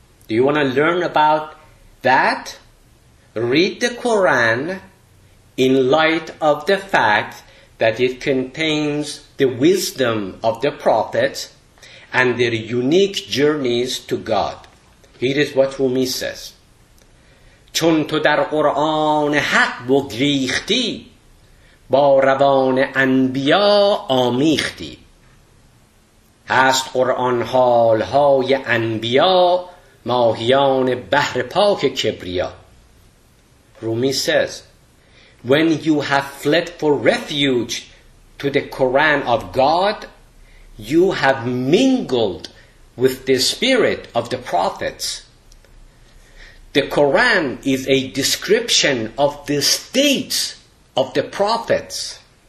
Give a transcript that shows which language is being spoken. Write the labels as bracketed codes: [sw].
[en] Do you want to learn about that? Read the Quran in light of the fact that it contains the wisdom of the prophets and their unique journeys to God. Here is what Rumi says. [fa] چون تو در قرآن حق بگریختی با روان انبیا آمیختی هست قرآن حالهای انبیا ماهیان بحر پاک کبریا. [en] Rumi says, when you have fled for refuge to the Quran of God, you have mingled with the spirit of the prophets. The Quran is a description of the states of the prophets.